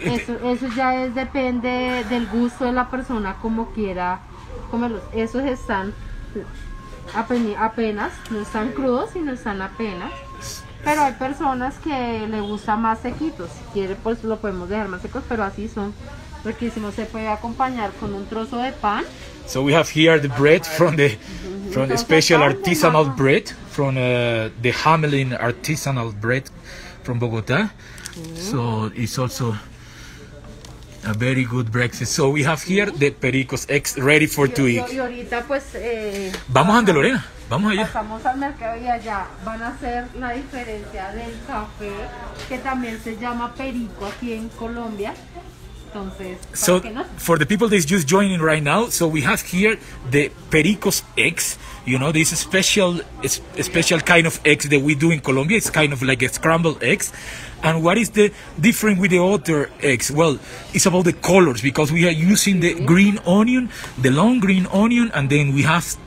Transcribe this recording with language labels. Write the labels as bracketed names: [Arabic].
[Spanish] eso ya depende del gusto de la persona, como quiera comerlos. Esos están apenas, no están crudos, sino están apenas. Pero hay personas que les gusta más sequitos. Si quiere, pues lo podemos dejar más secos, pero así son riquísimos. Se puede acompañar con un trozo de pan. [English] So we have here the bread from the special artisanal bread from the Hamelin artisanal bread from Bogota. So it's also a very good breakfast. So we have here the Perico's eggs ready for to eat. [Spanish] Vamos a Andalorena, vamos allá. Pasamos al mercado y allá van a hacer la diferencia del café, que también se llama Perico aquí en Colombia. Entonces, [English] so for the people that is just joining right now, so we have here the Perico's eggs, you know, this special kind of eggs that we do in Colombia. It's kind of like a scrambled eggs. And what is the difference with the other eggs? Well, it's about the colors, because we are using the green onion, the long green onion, and then we have